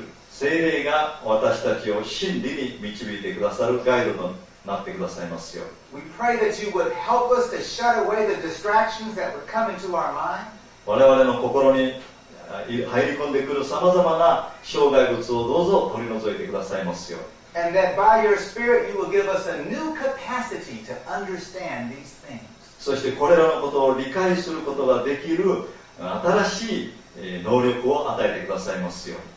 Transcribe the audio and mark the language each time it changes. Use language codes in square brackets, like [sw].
[ja] 聖霊が私たちを真理に導いてくださるガイドとなってくださいますよ。 [en] We pray that you would help us to shut away the distractions that would come into our mind. [ja] 我々の心に入り込んでくるさまざまな障害物をどうぞ取り除いてくださいますよ。 [en] And that by your Spirit you will give us a new capacity to understand these things. [ja] そしてこれらのことを理解することができる新しい能力を与えてくださいますよ。